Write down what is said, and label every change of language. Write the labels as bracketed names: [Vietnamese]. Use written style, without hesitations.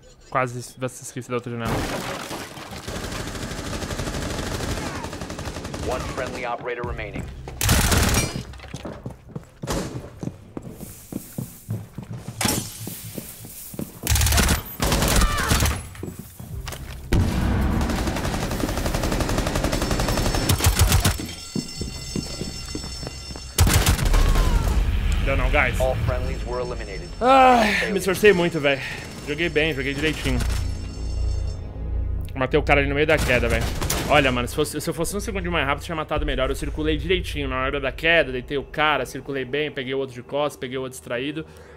[Portuguese] Quase você esqueceu da outra janela. [English] One friendly operator remaining. [Portuguese] Deu não, [English] guys. All friendlies were eliminated. [Portuguese] Ai, me esforcei muito, velho. Joguei bem, joguei direitinho. Matei o cara ali no meio da queda, velho. Olha, mano, se eu fosse um segundo mais rápido, eu tinha matado melhor. Eu circulei direitinho na hora da queda, deitei o cara, circulei bem, peguei o outro de costas, peguei o outro distraído.